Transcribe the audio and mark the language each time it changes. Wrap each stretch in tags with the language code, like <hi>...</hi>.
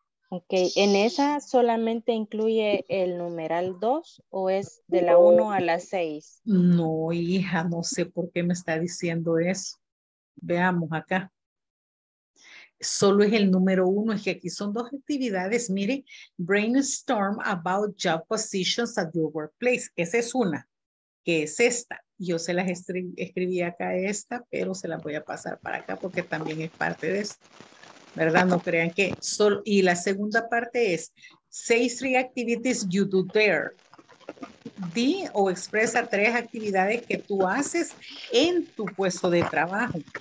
<es>Ok, ¿en esa solamente incluye el numeral 2 o es de la 1 a la 6? No, hija, no sé por qué me está diciendo eso. Veamos acá. Solo es el número 1, es que aquí son dos actividades.</es> <en>Mire, brainstorm about job positions at your workplace.</en> <es>Esa es una, que es esta. Yo se las escribí acá esta, pero se las voy a pasar para acá porque también es parte de esto. ¿Verdad? No crean que solo. Y la segunda parte es,</es> <en>say three activities you do there.</en> <es>Di o expresa tres actividades que tú haces en tu puesto de trabajo.</es>